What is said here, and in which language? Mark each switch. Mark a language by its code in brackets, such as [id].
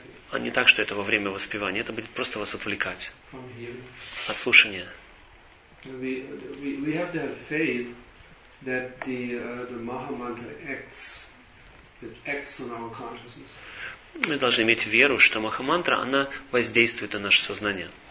[ru] А не так, что это во время воспевания, это будет просто вас отвлекать от слушания. [en] We have to have faith that the Maha Mantra acts on our consciousness. [ru] Мы должны иметь веру, что Махамантра, она воздействует на наше сознание.